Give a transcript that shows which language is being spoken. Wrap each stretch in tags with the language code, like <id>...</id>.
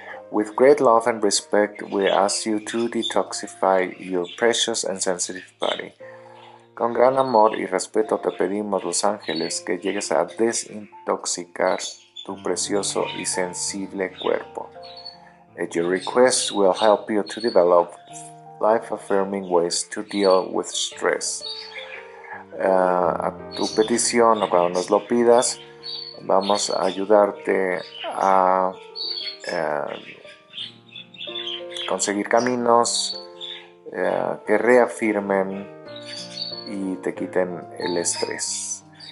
<en>With great love and respect, we ask you to detoxify your precious and sensitive body.</en> <es>Con gran amor y respeto te pedimos, Los Ángeles, que llegues a desintoxicar tu precioso y sensible cuerpo.</es> <en>At your request, we'll help you to develop life-affirming ways to deal with stress.</en> <es>A tu petición, o cuando nos lo pidas, vamos a ayudarte a conseguir caminos que reafirmen y te quiten el estrés.</es>